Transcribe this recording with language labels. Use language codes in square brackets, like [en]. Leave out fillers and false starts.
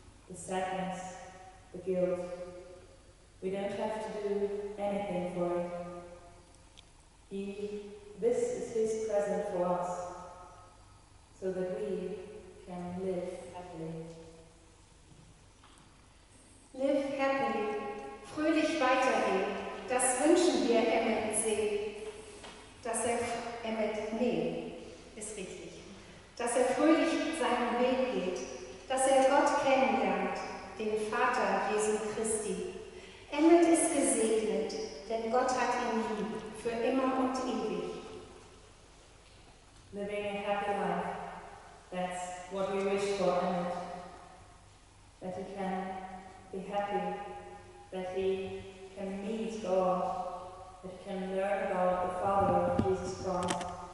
[en] The sadness, the guilt. We don't have to do anything for it. This is his present for us, so that we can live happily. Live happily, [de] fröhlich weitergehen, das wünschen wir Emmet See. Dass er, Emmet, nee, ist richtig. Dass er fröhlich seinen Weg geht, dass er Gott kennenlernt, den Vater Jesu Christi. Emmet ist gesegnet, denn Gott hat ihn lieb, für immer und ewig. [en] Living a happy life, that's what we wish for, Emmet. That he can be happy, that he can meet God, that he can learn about the Father, Jesus Christ.